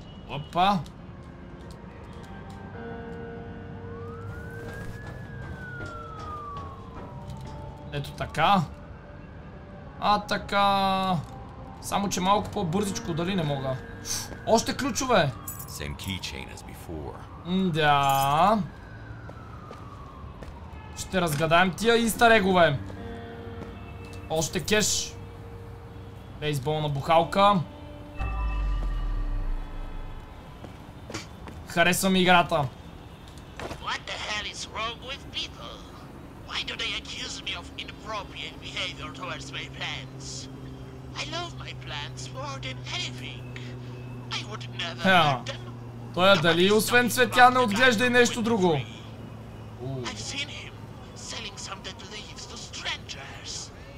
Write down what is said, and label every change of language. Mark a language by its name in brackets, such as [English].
[Bulgarian] Опа! Ето така. А, така. Само че малко по-бързичко, дали не мога. Още ключове. [English] Same keychain as before. [Bulgarian] Да. Ще разгадаем тия истарегове. Още кеш. Бейсболна бухалка. Харесва ми играта. [English] What the hell is wrong with people? Why do they accuse me of inappropriate behavior towards my plants? I love my plants more than anything. I would never let them... [Bulgarian] Той е дали освен цветя не отглежда и нещо друго? [English] I've seen him selling some dead leaves to strangers.